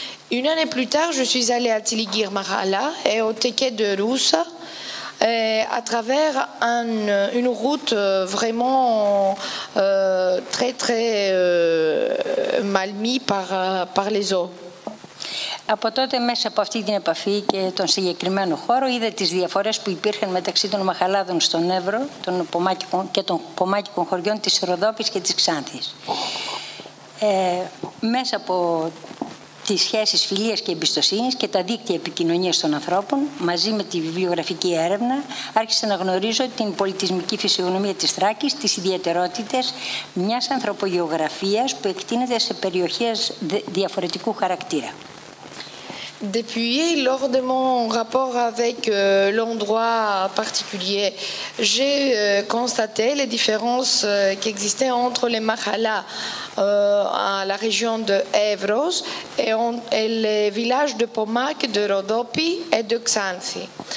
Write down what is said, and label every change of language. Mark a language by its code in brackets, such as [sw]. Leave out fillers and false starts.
[fr] Une année plus tard, je suis allée à Tiligir Mahala et au Teke de Roussa. Et à travers une route vraiment très très mal mise par les eaux. [el] Από τότε, μέσα από αυτή την επαφή και τον συγκεκριμένο χώρο, είδα τις διαφορές που υπήρχαν μεταξύ των Μαχαλάδων στον Εύρο και των πομάκικων χωριών της Ροδόπης και της Ξάνθης. Μέσα από τις σχέσεις φιλίας και εμπιστοσύνης και τα δίκτυα επικοινωνίας των ανθρώπων, μαζί με τη βιβλιογραφική έρευνα, άρχισα να γνωρίζω την πολιτισμική φυσιογνωμία της Θράκης, τις ιδιαιτερότητες μιας ανθρωπογεωγραφίας που εκτείνεται σε περιοχές διαφορετικού χαρακτήρα. [fr] Depuis, lors de mon rapport avec l'endroit particulier, j'ai constaté les différences qui existaient entre les Mahalas à la région de Evros et les villages de Pomac, de Rodopi et de Xanthi.